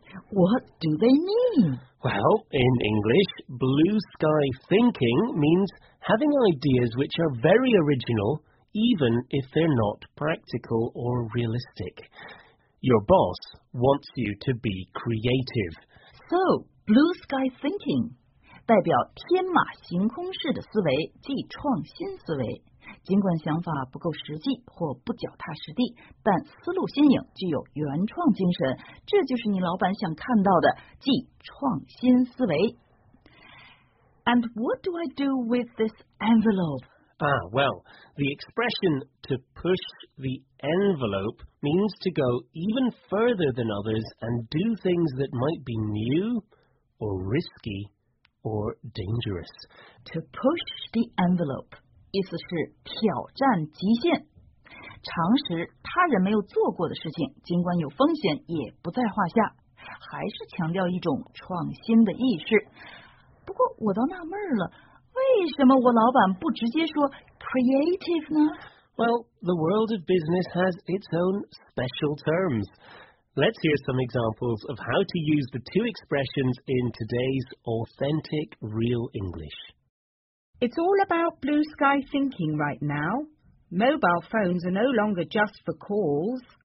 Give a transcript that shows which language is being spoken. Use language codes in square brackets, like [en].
[en] What do they mean? Well, in English, blue sky thinking means having ideas which are very original, even if they're not practical or realistic. Your boss wants you to be creative. So, blue sky thinking [zh] 代表天马行空式的思维，即创新思维。尽管想法不够实际或不脚踏实地，但思路新颖，具有原创精神，这就是你老板想看到的，即创新思维。 [en] And what do I do with this envelope? Ah, well, the expression to push the envelope means to go even further than others and do things that might be new or risky or dangerous. To push the envelope. [zh] 意思是挑战极限，尝试他人没有做过的事情，尽管有风险也不在话下，还是强调一种创新的意识。不过我倒纳闷了，为什么我老板不直接说 creative 呢？ [en] Well, the world of business has its own special terms. Let's hear some examples of how to use the two expressions in today's authentic real English. It's all about blue sky thinking right now. Mobile phones are no longer just for calls.